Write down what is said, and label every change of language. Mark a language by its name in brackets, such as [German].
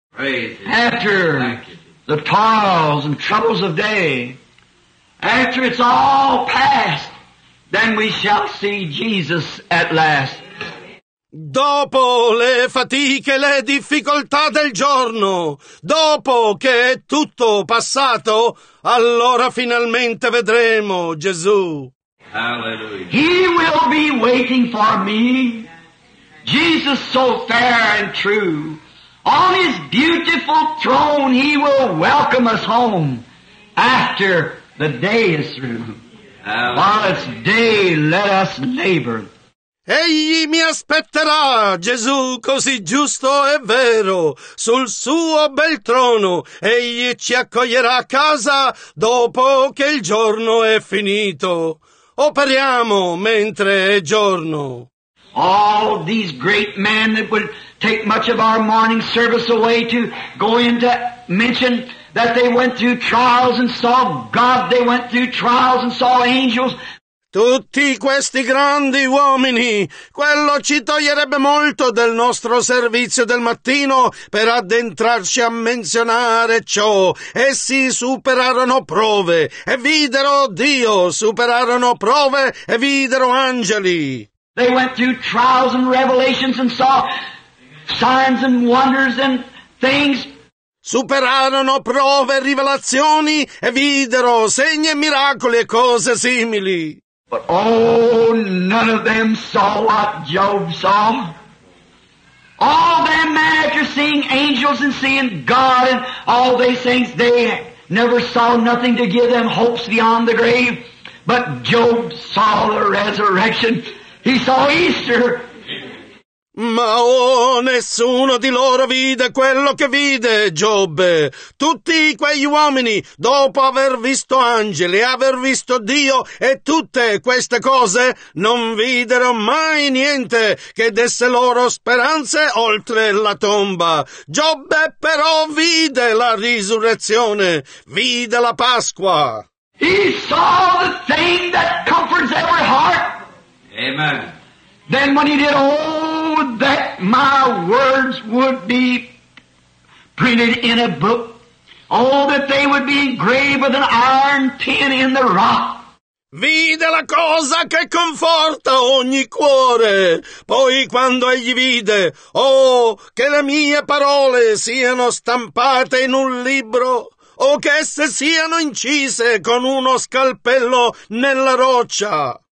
[English] Praise. After the toils and troubles of day. After it's all past, then we shall see Jesus at last. [Italian] Dopo le fatiche, le difficoltà del giorno, dopo che è tutto passato, allora finalmente vedremo Gesù. [English] Hallelujah. He will be waiting for me, Jesus so fair and true. On his beautiful throne he will welcome us home after the day is through. While it's day, let us labor. [Italian] Egli mi aspetterà, Gesù, così giusto e vero, sul suo bel trono. Egli ci accoglierà a casa dopo che il giorno è finito. Operiamo mentre è giorno. [English] All these great men that would take much of our morning service away to go into mention that they went through trials and saw God, they went through trials and saw angels. [Italian] Tutti questi grandi uomini, quello ci toglierebbe molto del nostro servizio del mattino per addentrarci a menzionare ciò. Essi superarono prove e videro Dio, superarono prove e videro angeli. [English] They went through trials and revelations and saw signs and wonders and things. [Italian] Superarono prove e rivelazioni e videro segni e miracoli e cose simili. [English] But oh, none of them saw what Job saw. All them men, after seeing angels and seeing God and all these things, they never saw nothing to give them hopes beyond the grave. But Job saw the resurrection. He saw Easter. [Italian] Ma oh, nessuno di loro vide quello che vide Giobbe. Tutti quegli uomini, dopo aver visto angeli, aver visto Dio e tutte queste cose, non videro mai niente che desse loro speranze oltre la tomba. Giobbe però vide la risurrezione, vide la Pasqua. [English] He saw the thing that comforts every heart. Amen. Then when he did, oh, that my words would be printed in a book. Oh, that they would be engraved with an iron pin in the rock. [Italian] Vide la cosa che conforta ogni cuore. Poi quando egli vide, oh, che le mie parole siano stampate in un libro, o che esse siano incise con uno scalpello nella roccia.